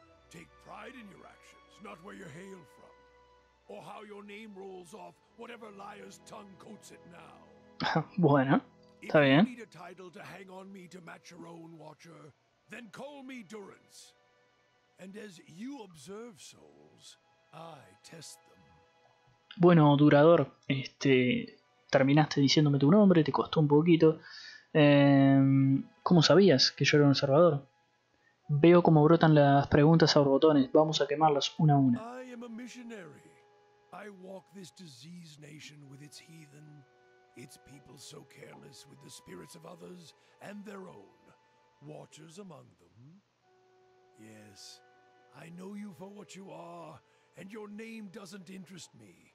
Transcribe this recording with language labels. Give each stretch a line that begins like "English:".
English: Take pride in your actions, not where you hail from, or how your name rolls off whatever liar's tongue coats it now.
Spanish: Bueno, está bien.
English: If you need a title to hang on me to match your own watcher, then call me Durance. And as you observe souls, I test them.
Spanish: Bueno, Durador, terminaste diciéndome tu nombre, te costó un poquito. ¿Cómo sabías que yo era un observador? Veo cómo brotan las preguntas a borbotones, vamos a quemarlas una a una.
English: I am a missionary. I walk this diseased nation with its heathen, its people so careless with the spirits of others and their own, watchers among them. Yes, I know you for what you are, and your name doesn't interest me.